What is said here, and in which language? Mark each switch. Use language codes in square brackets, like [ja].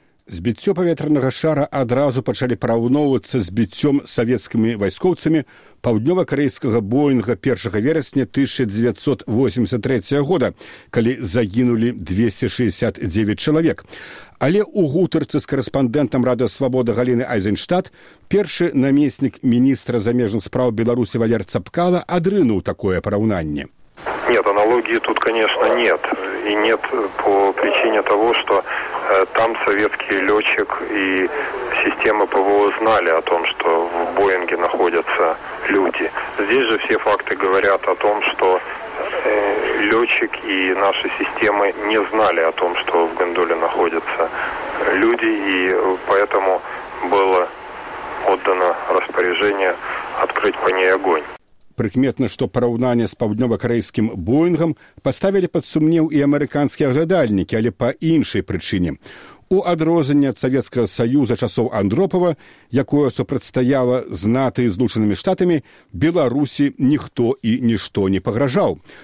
[be] Збіццё паветранага шара адразу пачалі параўноўвацца з біццём савецкімі вайскоўцамі паўднёва-карэйскага Боінга 1 верасня 1983 года, калі загінулі 269 чалавек. Але ў гутарцы з карэспандэнтам Радыё Свабода Галіны Айзенштадт першы намеснік міністра замежных справ Беларусі Валер Цапкала адрынуў такое параўнанне. [ru] Нет, аналогіі тут, конечно, нет. И нет по причине того, что там советский летчик и система ПВО знали о том, что в Боинге находятся люди. Здесь же все факты говорят о том, что летчик и наши системы не знали о том, что в гондоле находятся люди, и поэтому было отдано распоряжение открыть по ней огонь. [be] Прыкметна, што параўнанне з паўднёва-карэйскім Боінгам паставілі пад сумнеў і амерыканскія аглядальнікі, але па іншай прычыне. У адрозненне ад Савецкага Саюза часоў Андропава, якое супрацьстаяла з НАТО і Злучанымі Штатамі, Беларусі ніхто і нішто не пагражаў.